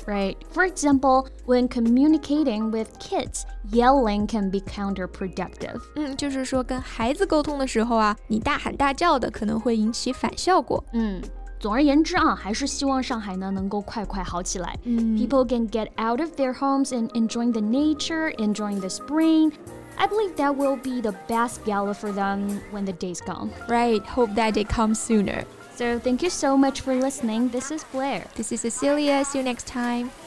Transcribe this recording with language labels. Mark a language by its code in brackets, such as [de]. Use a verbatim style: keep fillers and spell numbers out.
[en] Right. For example, when communicating with kids, yelling can be counterproductive. [zh] 嗯，就是说跟孩子沟通的时候啊，你大喊大叫的可能会引起反效果。嗯，总而言之啊，还是希望上海呢能够快快好起来、嗯、 [en] People can get out of their homes and enjoying the nature, enjoying the spring. I believe that will be the best gala for them when the day's gone. Right, hope that day comes sooner. So thank you so much for listening. This is Blair. This is Cecilia. See you next time.